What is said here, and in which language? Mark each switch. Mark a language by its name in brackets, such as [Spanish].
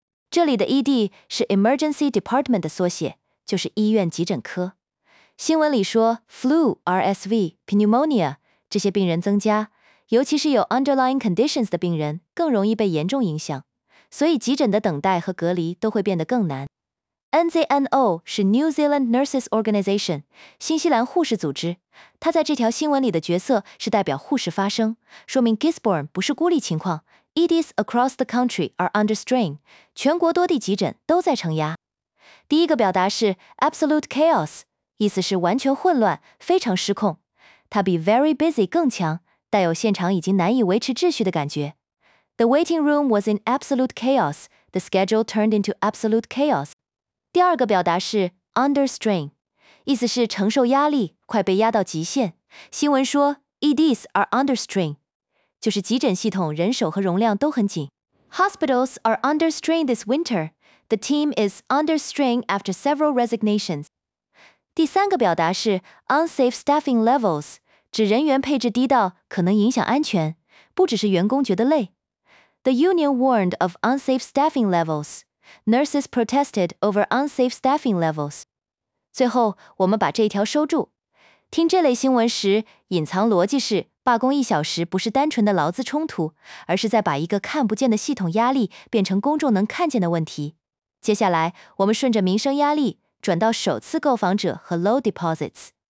[Chinese] 这里的 ED 是 emergency department 的缩写，就是医院急诊科。新闻里说 flu、RSV、pneumonia 这些病人增加，尤其是有 underlying conditions 的病人更容易被严重影响，所以急诊的等待和隔离都会变得更难。 NZNO 是 New Zealand Nurses Organization， 新西兰护士组织。他在这条新闻里的角色是代表护士发声，说明 Gisborne 不是孤立情况。 [English] EDs across the country are under strain， [Chinese] 全国多地急诊都在承压。第一个表达是 absolute chaos， 意思是完全混乱，非常失控。它比 very busy 更强，带有现场已经难以维持秩序的感觉。 [English] The waiting room was in absolute chaos. The schedule turned into absolute chaos. [Chinese] 第二个表达是 under strain， 意思是承受压力，快被压到极限。新闻说 [English] EDs are under strain， [Chinese] 就是急诊系统人手和容量都很紧。 [English] Hospitals are under strain this winter. The team is under strain after several resignations. [Chinese] 第三个表达是 unsafe staffing levels，指人员配置低到可能影响安全，不只是员工觉得累。 [English] The union warned of unsafe staffing levels. Nurses protested over unsafe staffing levels. [Chinese] 最后，我们把这一条收住。听这类新闻时，隐藏逻辑是，罢工一小时不是单纯的劳资冲突，而是在把一个看不见的系统压力变成公众能看见的问题。接下来，我们顺着民生压力，转到首次购房者和 low deposits。